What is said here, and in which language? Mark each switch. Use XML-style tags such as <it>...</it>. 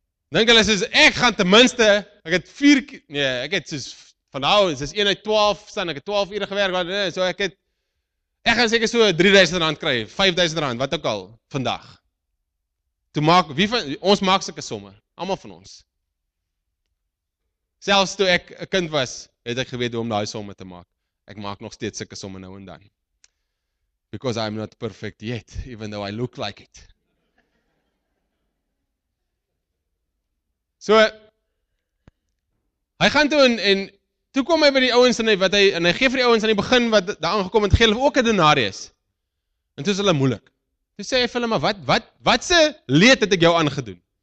<af>Dink hulle soos, ek gaan ten minste, ek het soos 1 uit 12, staan, ek het 12 ure gewerk, so ek gaan seker so R3000 kry, R5000, wat ook al, vandag. Toe maak, wie van, ons maak sulke somme, allemaal van ons. Selfs toe ek 'n kind was, het ek geweet hoe om daai somme te maak. Ek maak nog steeds sulke somme nou en dan.</af> <en>Because I'm not perfect yet, even though I look like it.</en> <af>So, hy gaan toe en toe kom hy by die ouens en hy gee vir die ouens aan die begin wat daar aangekom het, gee hulle ook 'n denarius. En toe is hulle moeilik. Toe sê hy vir hulle, maar wat se leed het ek jou aangedoen?</af>